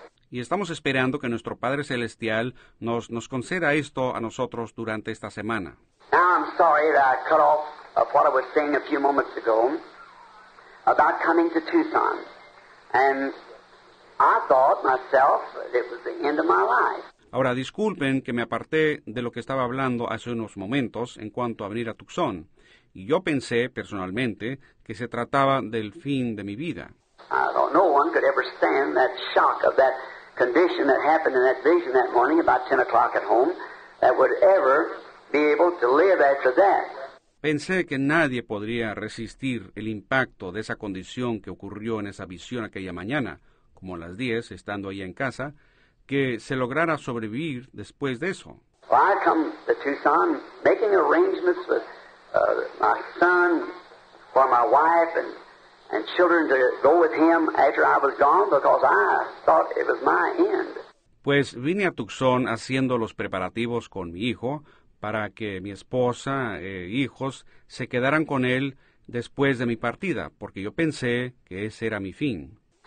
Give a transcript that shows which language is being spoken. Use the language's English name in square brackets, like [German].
[Spanish] Y estamos esperando que nuestro Padre Celestial nos conceda esto a nosotros durante esta semana. [English] Now I'm sorry that I cut off of what I was saying a few moments ago about coming to Tucson. And I thought myself that it was the end of my life. [Spanish] Ahora, disculpen que me aparté de lo que estaba hablando hace unos momentos en cuanto a venir a Tucson. Y yo pensé, personalmente, que se trataba del fin de mi vida. [English] I thought no one could ever stand that shock of that condition that happened in that vision that morning about 10 o'clock at home that would ever be able to live after that. [Spanish] Pensé que nadie podría resistir el impacto de esa condición que ocurrió en esa visión aquella mañana, como a las 10, estando ahí en casa, que se lograra sobrevivir después de eso. [English] Well, I come to Tucson making arrangements with my son for my wife and children to go with him after I was gone because I thought it was my end. [Spanish] Pues vine a Tucson haciendo los preparativos con mi hijo para que mi esposa e hijos se quedaran con él después de mi partida, porque yo pensé que ese era mi fin.